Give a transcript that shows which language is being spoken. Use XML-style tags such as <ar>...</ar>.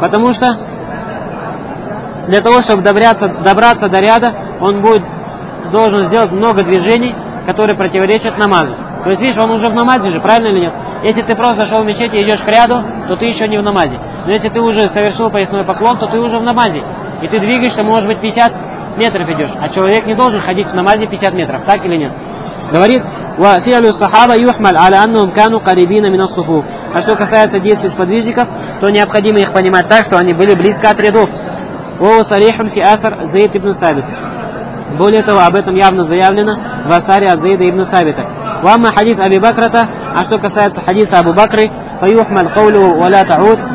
<ru>Потому что для того, чтобы добраться до ряда, он будет должен сделать много движений, которые противоречат намазу. То есть, видишь, он уже в намазе же, правильно или нет? Если ты просто зашел в мечеть и идешь к ряду, то ты еще не в намазе. Но если ты уже совершил поясной поклон, то ты уже в намазе. И ты двигаешься, может быть, 50 метров идешь. А человек не должен ходить в намазе 50 метров, так или нет?</ru> <ar>Говорит, وَفِعْلُ الصَّحَابَ يُحْمَلْ عَلَى أَنَّهُمْ كَانُوا قَرِبِينَ مِنَ الصُّفُوفِ.</ar> <ru>А что касается действий сподвижников, то необходимо их понимать так, что они были близко от рядов.</ru> <ar>وَهُوَ صَرِيحٌ فِي أَثَرِ زَيْدِ ابْنِ ثَابِتٍ.</ar> <ru>Более того, об этом явно заявлено в асаре от Зайда ибн Сабита.</ru> <ar>وَأَمَّا حَدِيثُ أَبِي بَكْرَةَ.</ar> <ru>А что касается хадиса Абу Бакры,</ru> <ar>فَيُحْمَلْ قَوْلُهُ وَلَا تَعُودْ.</ar>